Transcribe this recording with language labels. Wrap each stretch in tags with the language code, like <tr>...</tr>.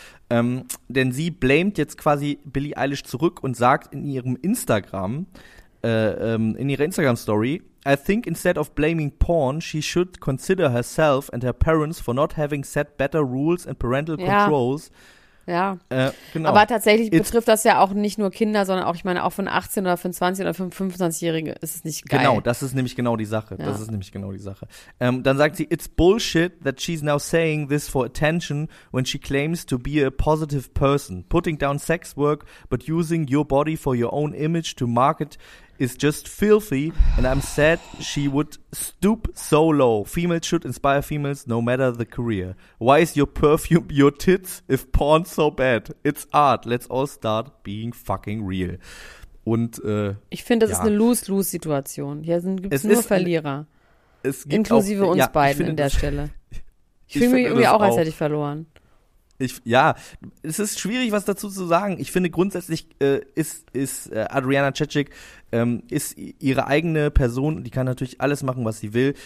<de>Denn sie blamet jetzt quasi Billie Eilish zurück und sagt in ihrem Instagram, in ihrer Instagram-Story,</de> <en>I think instead of blaming porn, she should consider herself and her parents for not having set better rules and parental controls.</en> <de>Ja, genau. Aber tatsächlich betrifft das ja auch nicht nur Kinder, sondern auch, ich meine, auch für einen 18 oder für einen 20 oder für einen 25-Jährigen ist es nicht geil. Genau, das ist nämlich genau die Sache. Ja. Das ist nämlich genau die Sache. Dann sagt sie,</de> <en>it's bullshit that she's now saying this for attention when she claims to be a positive person. Putting down sex work but using your body for your own image to market is just filthy and I'm sad she would stoop so low. Females should inspire females no matter the career. Why is your perfume your tits if porn so bad? It's art. Let's all start being fucking real.</en> <de>Und ich finde, das ist eine Lose-Lose-Situation. Hier gibt es nur Verlierer. Es gibt inklusive auch, uns beiden an der Stelle. Ich fühle mich irgendwie auch, als hätte ich verloren. Es ist schwierig, was dazu zu sagen. Ich finde grundsätzlich ist Adriana Cecik ist ihre eigene Person, die kann natürlich alles machen, was sie will.</de>